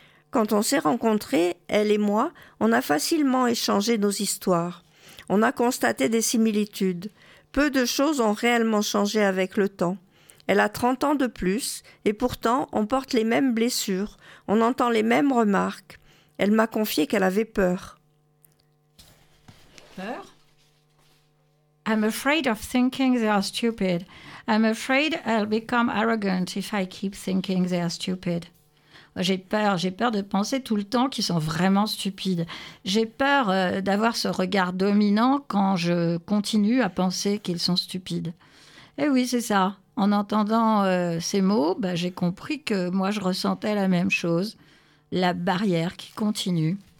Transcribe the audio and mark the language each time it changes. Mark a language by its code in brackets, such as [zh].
[fr] Quand on s'est rencontrés, elle et moi, on a facilement échangé nos histoires. On a constaté des similitudes. Peu de choses ont réellement changé avec le temps. Elle a 30 ans de plus et pourtant on porte les mêmes blessures, on entend les mêmes remarques. Elle m'a confié qu'elle avait peur. Peur? [en] I'm afraid of thinking they are stupid. I'm afraid I'll become arrogant if I keep thinking they are stupid. [fr] J'ai peur de penser tout le temps qu'ils sont vraiment stupides. J'ai peur d'avoir ce regard dominant quand je continue à penser qu'ils sont stupides. Eh oui, c'est ça. En entendant ces mots, bah, j'ai compris que moi, je ressentais la même chose, la barrière qui continue.